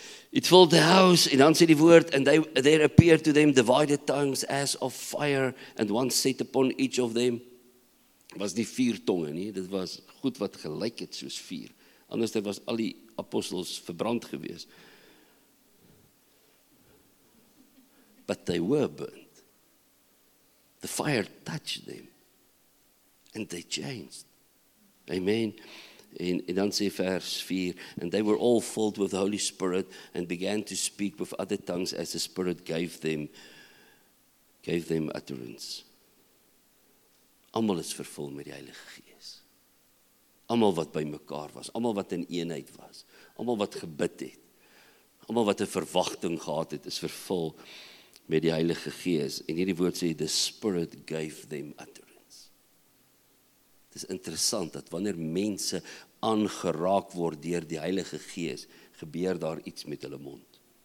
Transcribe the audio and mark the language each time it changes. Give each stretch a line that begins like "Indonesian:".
English: It filled the house,
Afrikaans: en dan sê die woord,
English: and there appeared to them divided tongues as of fire, and one set upon each of them.
Afrikaans: Was nie vier tonge nie, dit was goed wat gelyk het soos vier. Anders was al die apostels verbrand gewees.
English: But they were burned. The fire touched them, and they changed. Amen.
Afrikaans: En dan sê vers 4,
English: and they were all filled with the Holy Spirit and began to speak with other tongues as the Spirit gave them utterance.
Afrikaans: Almal is vervul met die Heilige Gees. Almal wat by mekaar was, almal wat in eenheid was, almal wat gebid het, almal wat 'n verwagting gehad het, is vervul met die Heilige Gees. En hierdie woord sê,
English: the Spirit gave them utterance.
Afrikaans: Het is interessant dat wanneer mense aangeraak word deur die Heilige Gees, gebeur daar iets met hulle mond.